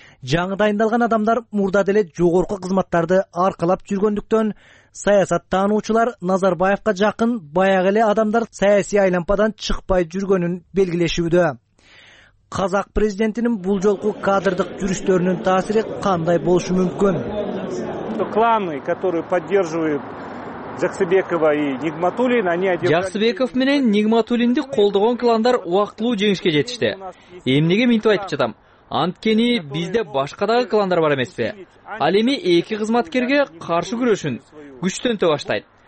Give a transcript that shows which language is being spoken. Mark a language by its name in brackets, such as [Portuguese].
[Kyrgyz] Жаңы дайындалган адамдар мурда деле жогорку кызматтарды аркалап жүргөндүктөн саясат таануучулар Назарбаевка жакын баягы эле адамдар саясий айлампадан чыкпай жүргөнүн белгилешүүдө. Казак президентинин бул жолку кадрдык жүрүштөрүнүн таасири кандай болушу мүмкүн? [Russian] Кланы, которые поддерживают Жаксыбекова и Нигматуллин, они одержали... [Kyrgyz] Жаксыбеков менен Нигматуллинди колдогон кландар убактылуу жеңишке жетишти. Эмнеге минтип айтып жатам? Анткени бизде башка дагы кландар бар эмеспи? Ал эми эки кызматкерге каршы күрөшүн күчтөнтө баштайт.